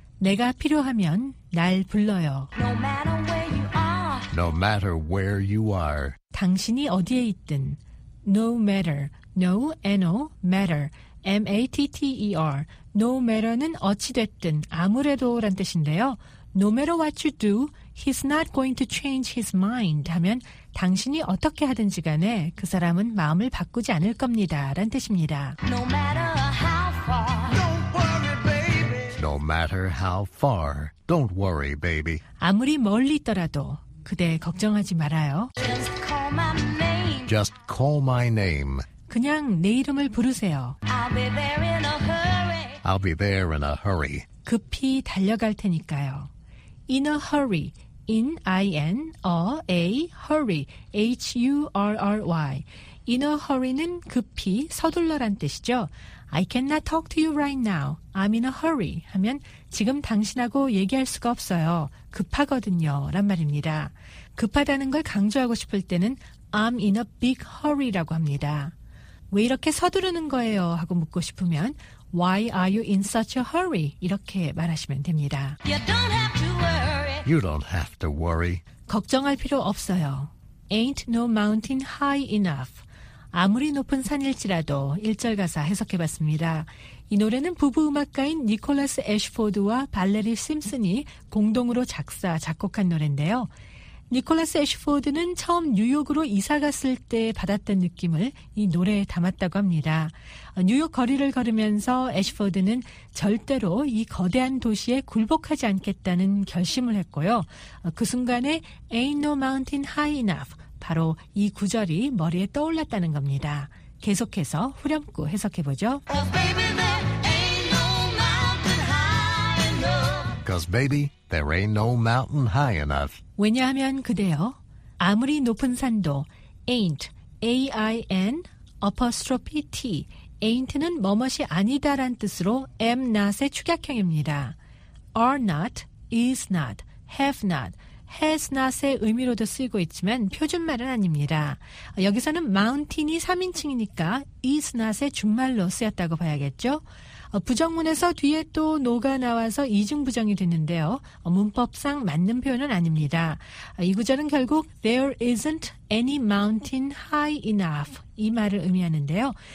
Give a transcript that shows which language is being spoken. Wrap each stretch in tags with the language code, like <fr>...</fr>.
<ko>내가 필요하면 날 불러요.</ko> <en>No matter where you are. No matter where you are.</en> <ko>당신이 어디에 있든.</ko> <en>No matter. No, N-O, matter. M-A-T-T-E-R.</en> <ko>No matter는 어찌됐든, 아무래도란 뜻인데요.</ko> <en>No matter what you do, he's not going to change his mind</en> <ko>하면 당신이 어떻게 하든지 간에 그 사람은 마음을 바꾸지 않을 겁니다. 란 뜻입니다.</ko> <en>No matter how far, don't worry, baby. No matter how far, don't worry, baby.</en> <ko>아무리 멀리 있더라도 그대 걱정하지 말아요.</ko> <en>Just call my name. Just call my name.</en> <ko>그냥 내 이름을 부르세요.</ko> <en>I'll be there in a hurry. I'll be there in a hurry.</en> <ko>급히 달려갈 테니까요.</ko> <en>In a hurry. In, I-N, a, a, hurry. H-U-R-R-Y.</en> <ko>In a hurry는 급히, 서둘러란 뜻이죠.</ko> <en>I cannot talk to you right now. I'm in a hurry.</en> <ko>하면 지금 당신하고 얘기할 수가 없어요. 급하거든요. 란 말입니다. 급하다는 걸 강조하고 싶을 때는</ko> <en>I'm in a big hurry</en> <ko>라고 합니다. 왜 이렇게 서두르는 거예요?</ko> <en>하고 묻고 싶으면 Why are you in such a hurry?</en> <ko>이렇게 말하시면 됩니다.</ko> <en>You don't have to worry. You don't have to worry.</en> <ko>걱정할 필요 없어요.</ko> <en>Ain't no mountain high enough.</en> <ko>아무리 높은 산일지라도 1절 가사 해석해봤습니다. 이 노래는 부부 음악가인 니콜라스 애쉬포드와 발레리 심슨이 공동으로 작사, 작곡한 노래인데요. 니콜라스 애쉬포드는 처음 뉴욕으로 이사 갔을 때 받았던 느낌을 이 노래에 담았다고 합니다. 뉴욕 거리를 걸으면서 애쉬포드는 절대로 이 거대한 도시에 굴복하지 않겠다는 결심을 했고요. 그 순간에</ko> <en>Ain't no mountain high enough,</en> <ko>바로 이 구절이 머리에 떠올랐다는 겁니다. 계속해서 후렴구 해석해보죠.</ko> <en>Oh, baby, there ain't no mountain high enough. Cause baby, there ain't no mountain high enough.</en> <ko>왜냐하면 그대요, 아무리 높은 산도 ain't, A-I-N, apostrophe T, ain't는 뭐뭇이 아니다란 뜻으로 am not의 축약형입니다. are not, is not, have not, has not의 의미로도 쓰이고 있지만 표준말은 아닙니다. 여기서는 mountain이 3인칭이니까 is not의 준말로 쓰였다고 봐야겠죠. 부정문에서 뒤에 또 no가 나와서 이중부정이 됐는데요. 문법상 맞는 표현은 아닙니다. 이 구절은 결국</ko> <en>there isn't any mountain high enough</en> <ko>이 말을 의미하는데요.</ko>